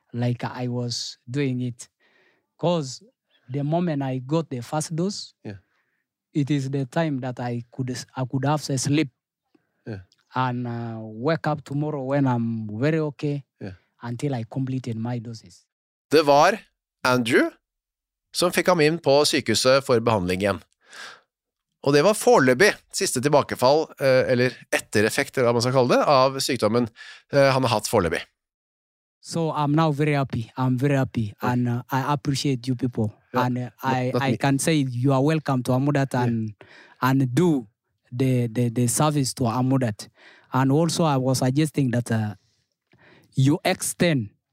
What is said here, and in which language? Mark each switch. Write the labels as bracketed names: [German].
[English] Like I was doing it, because the moment I got the first dose, it is the time that I could have sleep. And wake up tomorrow when I'm very okay until I completed my doses. [Norwegian] Det var Andrew som fikk ham inn på sykehuset for behandling igjen. Og det var foreløpig siste tilbakefall, eller ettereffekter, om man skal kalle det, av sykdommen han har hatt foreløpig. [English] So I'm now very happy. I'm very happy. And I appreciate you people. Ja, and I can say you are welcome to Amudat and do the service to Amudat, and also I was suggesting that you extend.